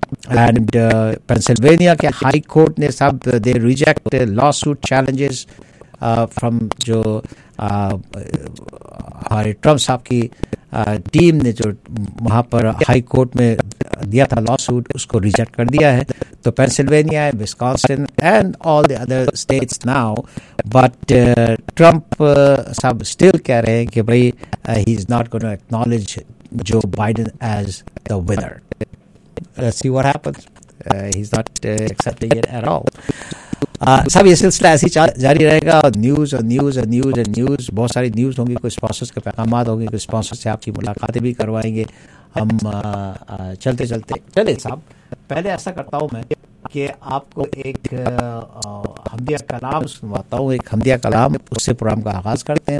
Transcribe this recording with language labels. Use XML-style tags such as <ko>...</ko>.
<hi>And Pennsylvania के high court ने सब दे reject law suit challenges from जो हमारे ट्रंप साहब की टीम ने जो वहाँ पर हाई कोर्ट में दिया था लॉ सूट, उसको रिजेक्ट कर दिया है.</hi> <en>तो Pennsylvania and Wisconsin and all the other states now, but Trump साहब still कह रहे हैं कि भाई he is not gonna acknowledge Joe Biden as the winner. See what happens. He's not accepting it at all.</en> <hi>सब ये सिलसिला ऐसे ही जारी रहेगा. न्यूज बहुत सारी न्यूज होंगी, कुछ स्पॉन्सर्स के पैगाम होंगे, कुछ स्पॉन्सर्स से आपकी मुलाकातें भी करवाएंगे हम. चलते चलते चले साहब, पहले ऐसा करता हूँ मैं कि आपको एक हमदिया कलाम सुनवाता हूँ, एक हमदिया कलाम, उससे प्रोग्राम का आगाज करते हैं.</hi>